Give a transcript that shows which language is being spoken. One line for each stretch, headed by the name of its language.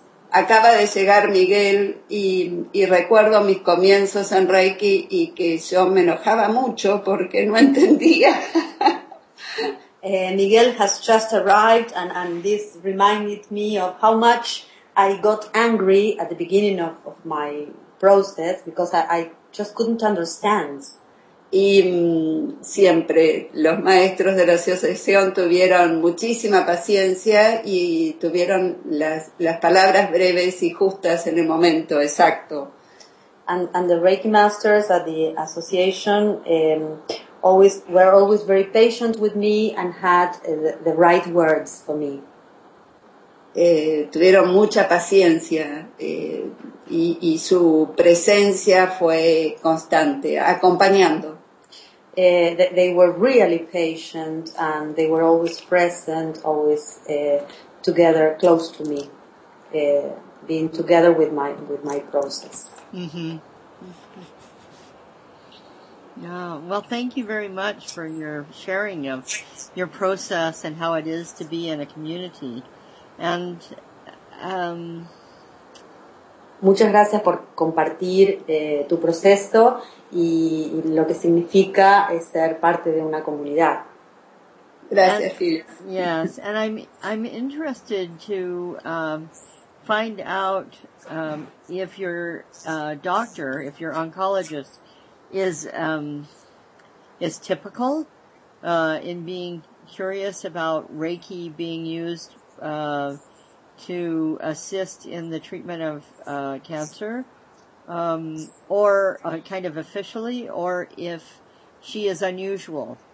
Spanish: Acaba de llegar Miguel y recuerdo mis comienzos en Reiki y que yo me enojaba mucho porque no entendía.
English: Miguel has just arrived and this reminded me of how much I got angry at the beginning of my process because I just couldn't understand.
Spanish: Y siempre los maestros de la asociación tuvieron muchísima paciencia y tuvieron las palabras breves y justas en el momento exacto.
English: And the Reiki masters at the association were always very patient with me and had the right words for me.
Spanish: Tuvieron mucha paciencia y su presencia fue constante, acompañando.
English: They were really patient and they were always present, always together, close to me, being together with my process. Mm-hmm. Yeah. Well, thank you very much for your sharing of your process and how it is to be in a community. And
Spanish: muchas gracias por compartir tu proceso y lo que significa ser parte de una comunidad. Gracias, Phyllis.
English: Yes, and I'm interested to find out if your doctor, if your oncologist, is typical in being curious about Reiki being used to assist in the treatment of cancer, or kind of officially, or if she is unusual.